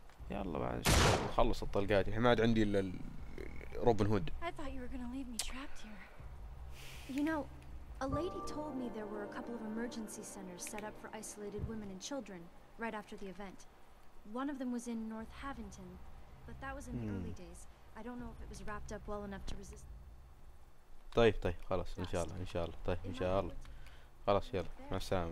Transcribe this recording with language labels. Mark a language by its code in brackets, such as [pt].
[ar] يلا بعد خلص الطلقات الحين ما عاد عندي الا روبن هود. [en] I thought you were gonna leave me trapped here. You know, a lady told me there were a couple of emergency centers set up for isolated women and children right after the event. One of them was in North Havington, but that was in the early days. I don't know if it was wrapped up well enough to resist. [ar] طيب طيب خلاص ان شاء الله ان شاء الله. طيب ان شاء الله خلاص يلا مع السلامه.